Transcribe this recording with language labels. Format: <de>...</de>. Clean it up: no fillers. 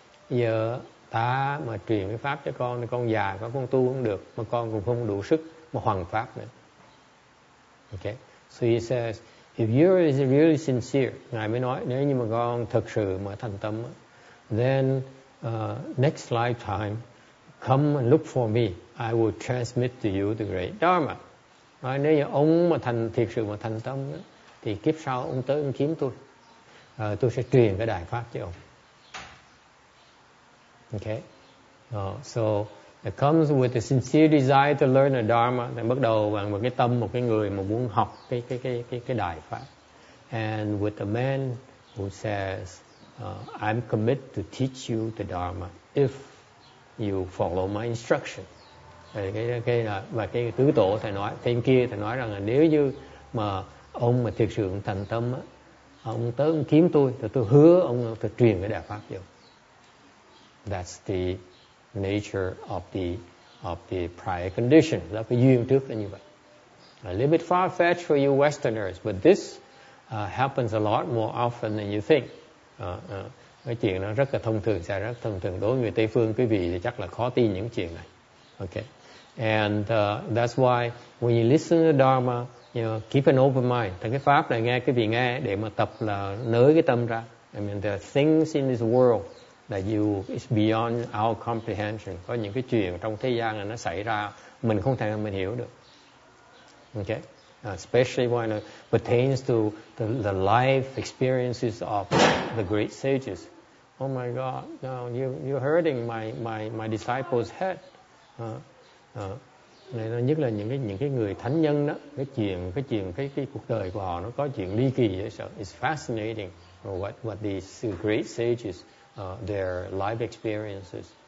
<vi>Giờ ta mà truyền cái pháp cho con thì con già con tu cũng được, mà con cũng không đủ sức mà hoằng pháp nữa. Okay.</vi> <en>So he says, if you are really sincere,</en> <vi>ngài mới nói nếu như mà con thực sự mà thành tâm,</vi> <en>then next lifetime come and look for me. I will transmit to you the great dharma.</en> <vi>Nói nếu như ông mà thiệt sự thành tâm thì kiếp sau ông tới ông kiếm tôi, tôi sẽ truyền cái đại pháp cho ông.</vi> <en>Okay, so it comes with a sincere desire to learn the dharma.</en> <vi>Then bắt đầu bằng một cái tâm một cái người mà muốn học cái đại pháp.</vi> <en>And with a man who says, "I'm committed to teach you the dharma if you follow my instruction."</en> <vi>Cái tứ tổ thầy nói, thêm kia thầy nói rằng là nếu như mà ông mà thực sự thành tâm á, ông tới ông kiếm tôi thì tôi hứa ông sẽ truyền cái đại pháp cho ông.</vi> <en>That's the nature of the prior condition.</en> <vi>Là cái duyên trước là như vậy.</vi> <en>A little bit far-fetched for you Westerners, but this happens a lot more often than you think.</en> <vi>Cái chuyện nó rất là thông thường, sẽ rất thông thường. Đối với người Tây Phương, quý vị thì chắc là khó tin những chuyện này.</vi> <en>Okay. And that's why when you listen to Dharma, you know, keep an open mind.</en> <vi>Thì cái pháp này nghe, quý vị nghe để mà tập là nới cái tâm ra.</vi> <en>I mean, there are things in this world that you is beyond our comprehension.</en> <vi>Có những cái chuyện trong thế gian này nó xảy ra mình không thể mình hiểu được.</vi> <en>Okay, especially when it pertains to the life experiences of the great sages. Oh my God, no, you're hurting my disciples' head.</en> <vi>Nhất là những cái người thánh nhân đó, cái cuộc đời của họ nó có chuyện ly kỳ vậy.</vi> <en>So it's fascinating what these great sages, their life experiences.</en>